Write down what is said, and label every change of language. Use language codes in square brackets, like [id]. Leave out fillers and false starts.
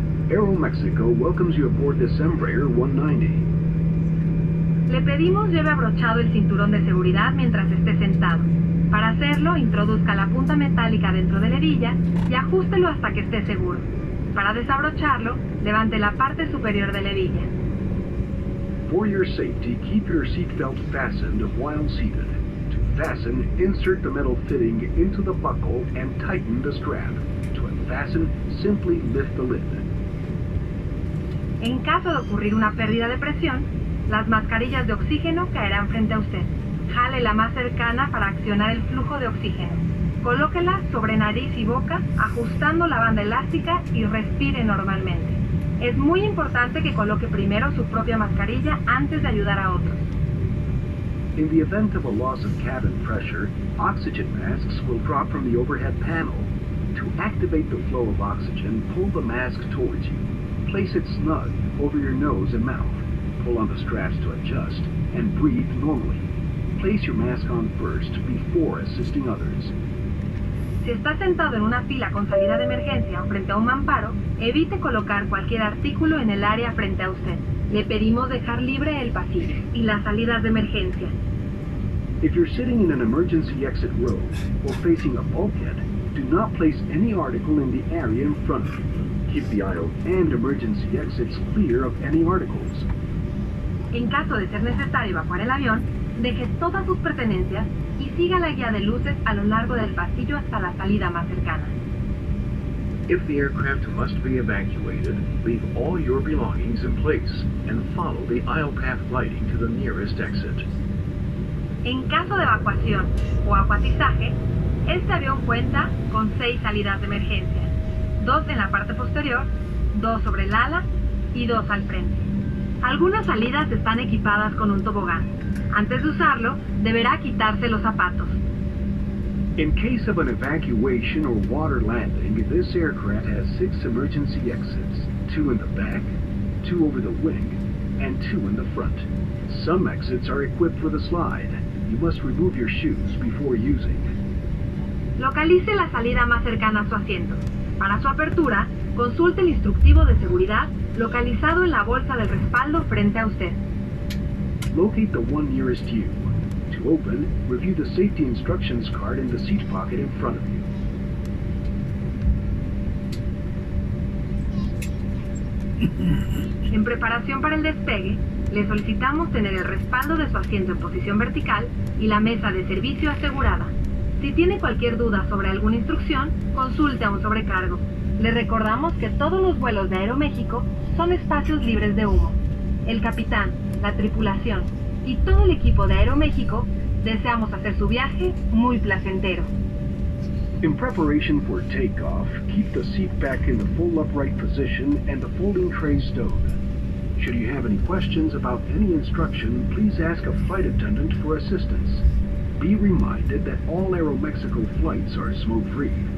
[en] Aeroméxico welcomes you aboard this Embraer 190. [es] Le pedimos lleve abrochado el cinturón de seguridad mientras esté sentado. Para hacerlo, introduzca la punta metálica dentro de la hebilla y ajústelo hasta que esté seguro. Para desabrocharlo, levante la parte superior de la hebilla. [en] For your safety, keep your seatbelt fastened while seated. To fasten, insert the metal fitting into the buckle and tighten the strap. To unfasten, simply lift the lid. [es] En caso de ocurrir una pérdida de presión, las mascarillas de oxígeno caerán frente a usted. Jale la más cercana para accionar el flujo de oxígeno. Colóquela sobre nariz y boca, ajustando la banda elástica y respire normalmente. Es muy importante que coloque primero su propia mascarilla antes de ayudar a otros. [en] In the event of a loss of cabin pressure, oxygen masks will drop from the overhead panel. To activate the flow of oxygen, pull the mask towards you. Place it snug over your nose and mouth. Pull on the straps to adjust and breathe normally. Place your mask on first before assisting others. [es] Si está sentado en una fila con salida de emergencia o frente a un mamparo, evite colocar cualquier artículo en el área frente a usted. Le pedimos dejar libre el pasillo y las salidas de emergencia. [en] If you're sitting in an emergency exit row or facing a bulkhead, do not place any article in the area in front of you. Keep the aisle and emergency exits clear of any articles. [es] En caso de ser necesario evacuar el avión, deje todas sus pertenencias y siga la guía de luces a lo largo del pasillo hasta la salida más cercana. [en] If the aircraft must be evacuated, leave all your belongings in place and follow the aisle path lighting to the nearest exit. [es] En caso de evacuación o acuatizaje, este avión cuenta con 6 salidas de emergencia. 2 en la parte posterior, 2 sobre el ala y 2 al frente. Algunas salidas están equipadas con un tobogán. Antes de usarlo, deberá quitarse los zapatos. [en] In case of an evacuation or water landing, this aircraft has 6 emergency exits, 2 in the back, 2 over the wing, and 2 in the front. Some exits are equipped with a slide. You must remove your shoes before using. [es] Localice la salida más cercana a su asiento. Para su apertura, consulte el instructivo de seguridad localizado en la bolsa del respaldo frente a usted. [en] Locate the one nearest you. To to open, review the safety instructions card in the seat pocket in front of you. [es] En preparación para el despegue, le solicitamos tener el respaldo de su asiento en posición vertical y la mesa de servicio asegurada. Si tiene cualquier duda sobre alguna instrucción, consulte a un sobrecargo. Le recordamos que todos los vuelos de Aeroméxico son espacios libres de humo. El capitán, la tripulación y todo el equipo de Aeroméxico deseamos hacer su viaje muy placentero. [en] In preparation for takeoff, keep the seat back in the full upright position and the folding tray stowed. Should you have any questions about any instruction, please ask a flight attendant for assistance. Be reminded that all Aeroméxico flights are smoke-free.